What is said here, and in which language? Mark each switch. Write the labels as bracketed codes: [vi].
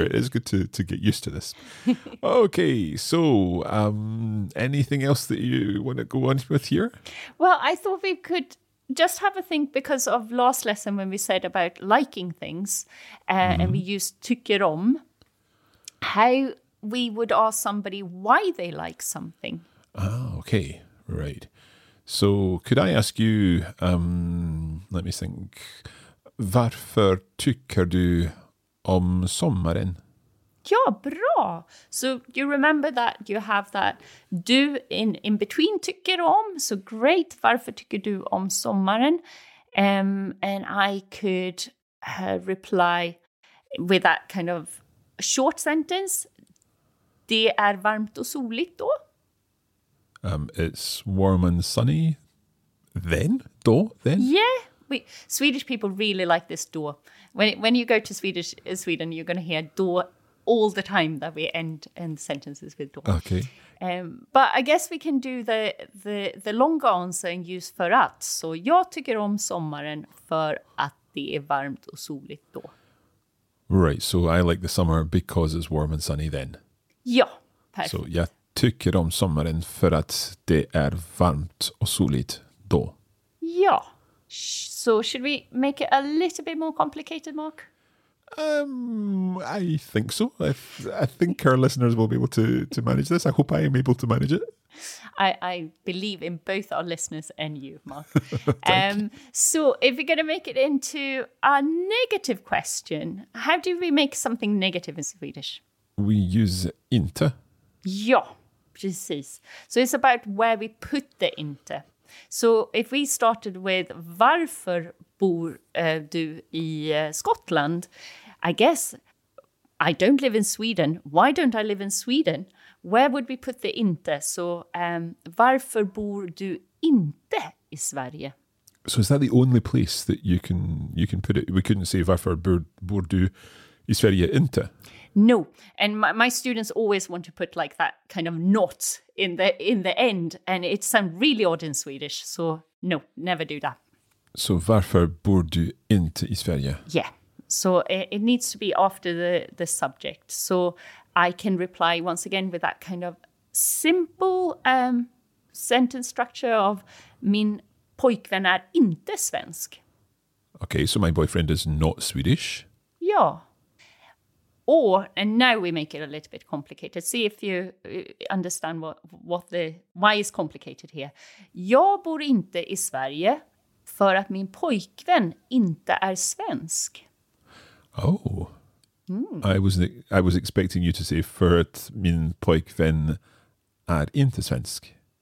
[en] It is good to get used to this. Okay, so anything else that you want to go on with here? Well, I thought we could just have a think, because of last lesson when we said about liking things, mm-hmm. and we used tycker om. how we would ask somebody why they like something. Ah, okay, right. So could I ask you, let me think, [sv] varför tycker du om sommaren? Ja, bra. [en] So you remember that you have that du in between tycker om. [sv] So great, varför tycker du om sommaren? [en] And I could reply with that kind of short sentence. [sv] Det är varmt och soligt då. [en] It's warm and sunny. Then? Då? Then? Yeah. Swedish people really like this då. When you go to Sweden, you're going to hear då all the time that we end sentences with då. Okay. But I guess we can do the longer answer and use för att. [sv] So jag tycker om sommaren för att det är varmt och soligt då. [en] Right. So I like the summer because it's warm and sunny then. [sv] Ja. [en] Perfect. So yeah. [sv] Tycker om sommaren för att det är varmt och soligt då. [en] Ja. So should we make it a little bit more complicated, Mark? I think so. I think our listeners will be able to manage this. I hope I am able to manage it. I believe in both our listeners and you, Mark. So if we're going to make it into a negative question, how do we make something negative in Swedish? We use inte. [sv] Ja. Precis. [en] So it's about where we put the inte. So if we started with [sv] varför bor du i Skottland, [en] I guess I don't live in Sweden. Why don't I live in Sweden? Where would we put the inte? [sv] So varför bor du inte i Sverige? [en] So is that the only place that you can put it? We couldn't say [sv] varför bor du i Sverige inte. [en] No, and my students always want to put like that kind of not in the end, and it sounds really odd in Swedish. So no, never do that. [sv] So varför bor du inte i Sverige? [en] Yeah, so it needs to be after the subject. So I can reply once again with that kind of simple sentence structure of [sv] min pojkvän är inte svensk. [en] Okay, so my boyfriend is not Swedish. [sv] Ja. [en] Or, and now we make it a little bit complicated. See if you understand why it's complicated here. [sv] Jag bor inte i Sverige för att min pojkvän inte är svensk. [en] Oh. Mm. I was expecting you to say [sv] för att min pojkvän är inte svensk.